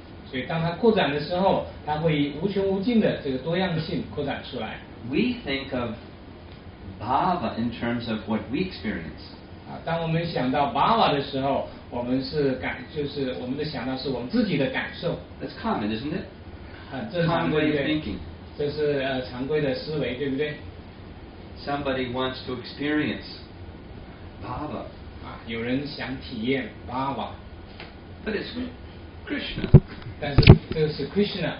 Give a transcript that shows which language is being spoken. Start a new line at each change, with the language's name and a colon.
Chinese: 所以当它扩展的时候, 它会以无穷无尽的这个多样性扩展出来。
English: We think of bhava in terms of what we experience.
Chinese: 当我们想到 bhava的时候, 我们的想到是我们自己的感受。
English: That's common, isn't it?
Chinese: 这是常规的thinking. 这是常规的思维，对不对？
English: Somebody wants to experience bhava.
Chinese: 有人想体验 bhava.
English: But it's Krishna.
Chinese: 但是这是 Krishna.